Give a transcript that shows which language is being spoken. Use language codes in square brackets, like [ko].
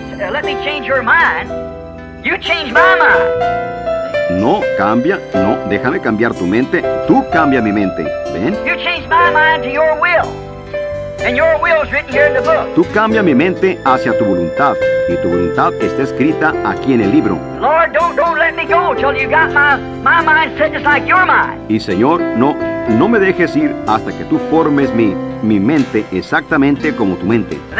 [en] Let me change your mind. You change my mind. [es] No, cambia, no, déjame cambiar tu mente, tú cambia mi mente, ¿ven? [en] You change my mind to your will, and your will is written here in the book. [es] Tú cambia mi mente hacia tu voluntad, y tu voluntad está escrita aquí en el libro. [en] Lord, don't let me go till you got my mind set just like your mind. [es] Y Señor, no me dejes ir hasta que tú formes mi mente exactamente como tu mente.